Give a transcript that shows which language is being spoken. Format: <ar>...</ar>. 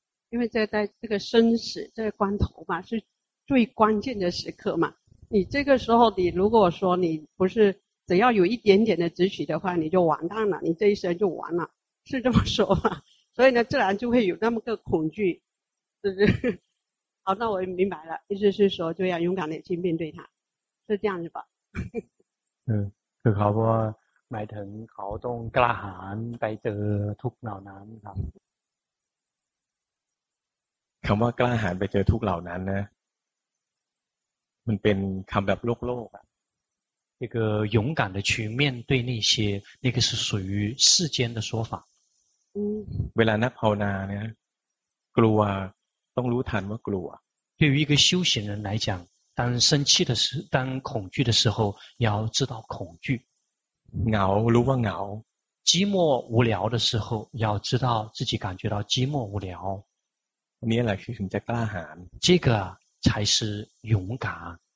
<zh>因为在这个生死这个关头嘛是最关键的时刻嘛你这个时候你如果说你不是只要有一点点的执取的话你就完蛋了你这一生就完了是这么说吗所以呢自然就会有那么个恐惧是不是好那我明白了意思是说就要勇敢的去面对它是这样子吧</zh> <th>嗯ก็เขาบอกว่าหมายถึงเขาต้องกล้าหาญไปเจอทุกเหล่านั้นครับ คำว่ากล้าหาญไปเจอทุกเหล่านั้นนะมันเป็นคำแบบโลกโลกอ่ะ</th> <zh>这个勇敢的去面对那些那个是属于世间的说法嗯</zh> <th>เวลานักภาวนาเนี่ยกลัวต้องรู้ทันว่ากลัว</th> <zh>对于一个修行人来讲当生气的时当恐惧的时候要知道恐惧</zh> <th>เหงารู้ว่าเหงา</th> <zh>寂寞无聊的时候要知道自己感觉到寂寞无聊</zh> <th>นี่แหละคือถึงจะกล้าหาญ</th> <zh>这个才是勇敢</zh>